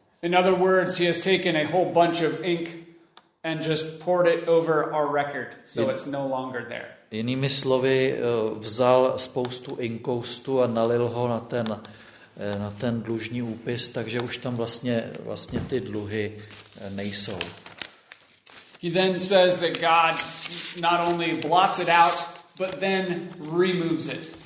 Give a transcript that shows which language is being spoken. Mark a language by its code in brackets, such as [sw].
[en] In other words, he has taken a whole bunch of ink and just poured it over our record, so it's no longer there. [cs] Jinými slovy, vzal spoustu inkoustu a nalil ho na ten dlužní úpis, takže už tam vlastně ty dluhy nejsou. [en] He then says that God not only blots it out, but then removes it.